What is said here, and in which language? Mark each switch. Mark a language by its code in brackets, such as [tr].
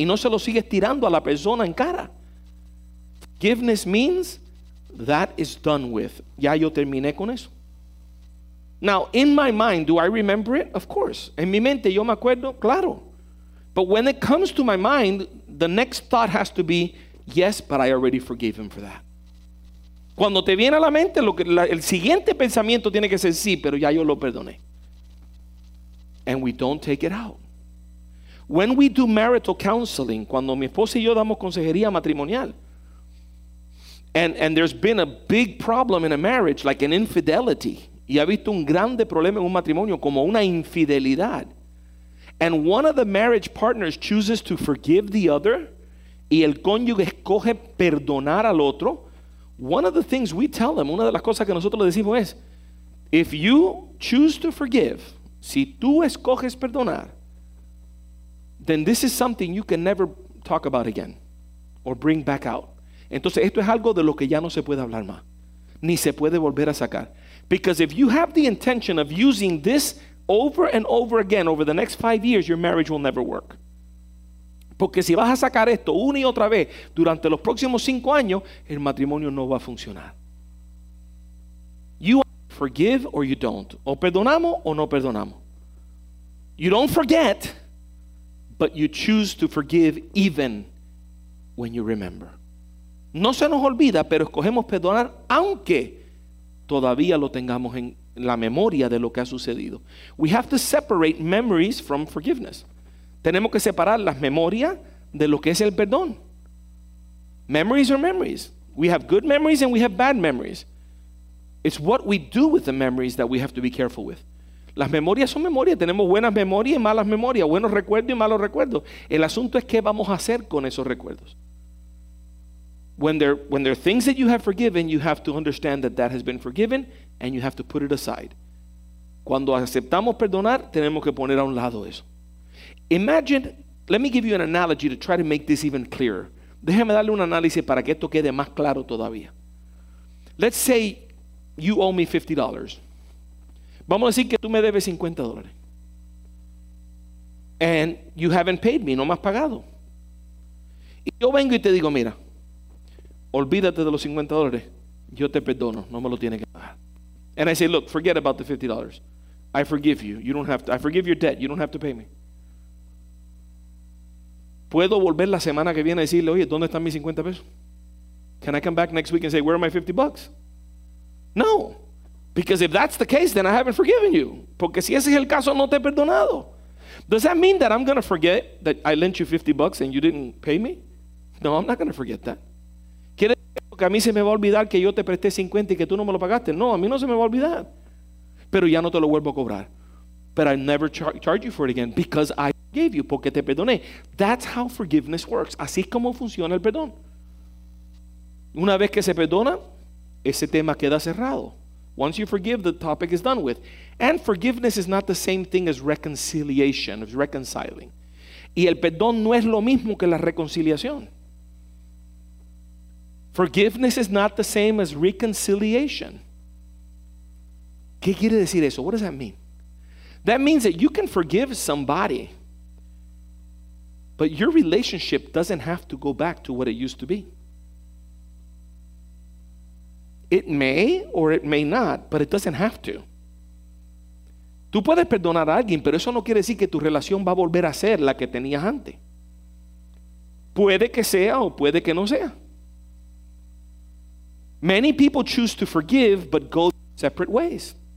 [es] Y no se lo sigues tirando a la persona en cara. [en] Forgiveness means that is done with. [es] Ya yo terminé con eso. [en] Now, in my mind, do I remember it? Of course. [es] En mi mente, yo me acuerdo, claro. [en] But when it comes to my mind, the next thought has to be, yes, but I already forgave him for that. [es] Cuando te viene a la mente, el siguiente pensamiento tiene que ser sí, pero ya yo lo perdoné. [en] And we don't take it out. When we do marital counseling, [es] cuando mi esposa y yo damos consejería matrimonial, [en] and there's been a big problem in a marriage, like an infidelity, [es] y ha visto un grande problema en un matrimonio, como una infidelidad, [en] and one of the marriage partners chooses to forgive the other, [es] y el cónyuge escoge perdonar al otro, [en] one of the things we tell them, [es] una de las cosas que nosotros le decimos es, [en] if you choose to forgive, [es] si tú escoges perdonar, [en] then this is something you can never talk about again or bring back out. [es] Entonces esto es algo de lo que ya no se puede hablar más, ni se puede volver a sacar. [en] Because if you have the intention of using this over and over again over the next 5 years, your marriage will never work. [es] Porque si vas a sacar esto una y otra vez durante los próximos 5 años, el matrimonio no va a funcionar. [en] You forgive or you don't. [es] O perdonamos o no perdonamos. [en] You don't forget, but you choose to forgive even when you remember. [es] No se nos olvida, pero escogemos perdonar aunque todavía lo tengamos en la memoria de lo que ha sucedido. [en] We have to separate memories from forgiveness. [es] Tenemos que separar las memorias de lo que es el perdón. [en] Memories are memories. We have good memories and we have bad memories. It's what we do with the memories that we have to be careful with. [es] Las memorias son memorias. Tenemos buenas memorias y malas memorias. Buenos recuerdos y malos recuerdos. El asunto es qué vamos a hacer con esos recuerdos. [en] When there are things that you have forgiven, you have to understand that that has been forgiven and you have to put it aside. [es] Cuando aceptamos perdonar, tenemos que poner a un lado eso. [en] Imagine, let me give you an analogy to try to make this even clearer. [es] Déjame darle un análisis para que esto quede más claro todavía. [en] Let's say you owe me $50. [es] Vamos a decir que tú me debes $50. [en] And you haven't paid me, [es] no me has pagado. Y yo vengo y te digo, mira, olvídate de los $50. Yo te perdono, no me lo tienes que pagar. [en] And I say, look, forget about the $50. I forgive you. You don't have to. I forgive your debt. You don't have to pay me. [es] ¿Puedo volver la semana que viene a decirle, oye, ¿dónde están mis 50 pesos? [en] Can I come back next week and say, where are my 50 bucks? No, because if that's the case, then I haven't forgiven you. [es] Porque si ese es el caso, no te he perdonado. [en] Does that mean that I'm going to forget that I lent you 50 bucks and you didn't pay me? No, I'm not going to forget that. [es] ¿Quiere decir que a mí se me va a olvidar que yo te presté 50 y que tú no me lo pagaste? No, a mí no se me va a olvidar. Pero ya no te lo vuelvo a cobrar. [en] But I never charge you for it again because I forgave you, [es] porque te perdoné. [en] That's how forgiveness works. [es] Así es como funciona el perdón. Una vez que se perdona, ese tema queda cerrado. [en] Once you forgive, the topic is done with. And forgiveness is not the same thing as reconciliation, as reconciling. [es] Y el perdón no es lo mismo que la reconciliación. [en] Forgiveness is not the same as reconciliation. [es] ¿Qué quiere decir eso? [en] What does that mean? That means that you can forgive somebody, but your relationship doesn't have to go back to what it used to be. It may or it may not, but it doesn't have to. [es] Tú puedes perdonar a alguien, pero eso no quiere decir que tu relación va a volver a ser la que tenías antes. Puede que sea o puede que no sea. [en] Many people choose to forgive, but go separate ways.